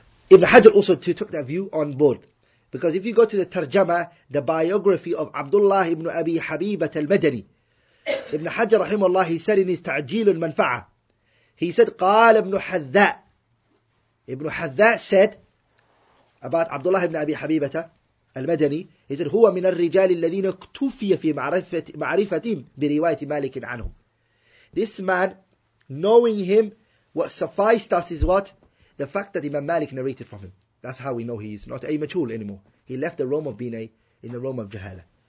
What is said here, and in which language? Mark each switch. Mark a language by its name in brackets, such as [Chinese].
[English] Ibn Hajar also took that view on board. Because if you go to the Tarjama, the biography of Abdullah ibn Abi Habibat al-Madani, Ibn Hajar rahimahullah, he said in his Ta'jeel al-Manfa'ah, he said, [Arabic] قال ابن حذاء. [English] Ibn Hajar said about Abdullah ibn Abi Habibat al-Madani, he said, [Arabic] هو من الرجال الذين اكتفي في معرفتهم برواية مالك عنهم. [English] This man, knowing him, what sufficed us is what? The fact that Imam Malik narrated from him. That's how we know he is not a majhul anymore. He left the realm of Bina in the realm of Jahala.